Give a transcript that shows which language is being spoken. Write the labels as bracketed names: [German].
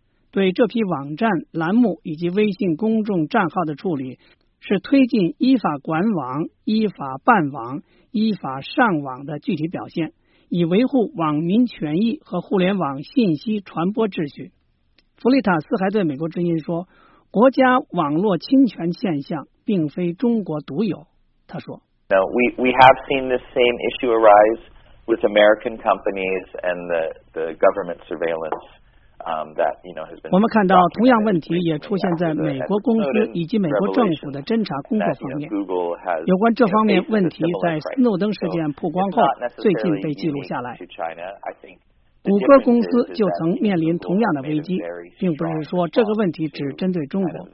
[Chinese] 对这批网站栏目以及微信公众账号的处理，是推进依法管网、依法办网、依法上网的具体表现，以维护网民权益和互联网信息传播秩序。弗利塔斯还对美国之音说，国家网络侵权现象并非中国独有。他说 [English] Now, we have seen the same issue arise with American companies and the government surveillance that, you know, has been [Chinese] 我们看到同样问题也出现在美国公司以及美国政府的侦查工作方面。有关这方面问题在斯诺登事件曝光后最近被记录下来。谷歌公司就曾面临同样的危机，并不是说这个问题只针对中国。